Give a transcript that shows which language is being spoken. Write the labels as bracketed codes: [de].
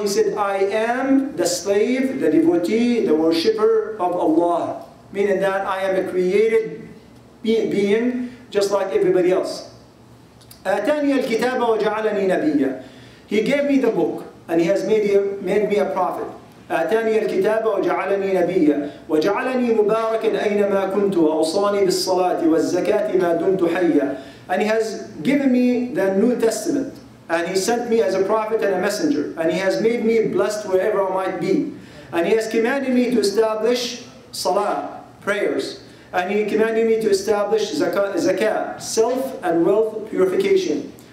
[en] He said, I am the slave, the devotee, the worshipper of Allah. Meaning that I am a created being, just like everybody else. [ar] أَتَانِيَ الْكِتَابَ وَجَعَلَنِي نَبِيًّا. [en] He gave me the book, and he has made me a prophet. [ar] أتاني الكتاب وجعلني نبيا وجعلني مباركا أينما كنت وأوصاني بالصلاة والزكاة ما دمت حيا. [en] And he has given me the New Testament, and he sent me as a prophet and a messenger, and he has made me blessed wherever I might be, and he has commanded me to establish salah, prayers, And you commanded me to establish zakah, self and wealth purification.